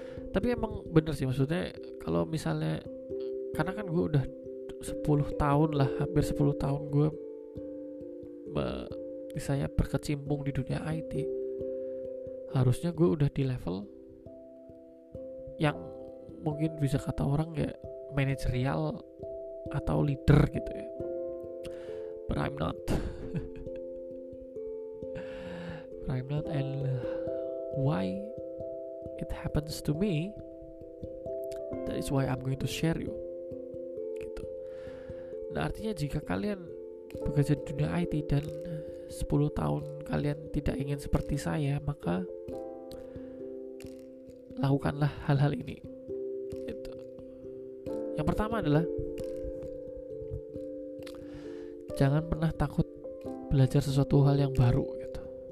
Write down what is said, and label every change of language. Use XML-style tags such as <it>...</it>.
<id>Tapi emang bener sih, maksudnya kalau misalnya, karena kan gue udah 10 tahun lah, hampir 10 tahun gue misalnya berkecimpung di dunia IT, harusnya gue udah di level yang mungkin bisa kata orang ya manajerial atau leader gitu ya.</id> <en>But I'm not. But I'm not, and why it happens to me, that is why I'm going to share you gitu.</en> <id>Nah, artinya jika kalian bekerja di dunia IT dan 10 tahun kalian tidak ingin seperti saya, maka lakukanlah hal-hal ini gitu. Yang pertama adalah jangan pernah takut belajar sesuatu hal yang baru gitu.</id>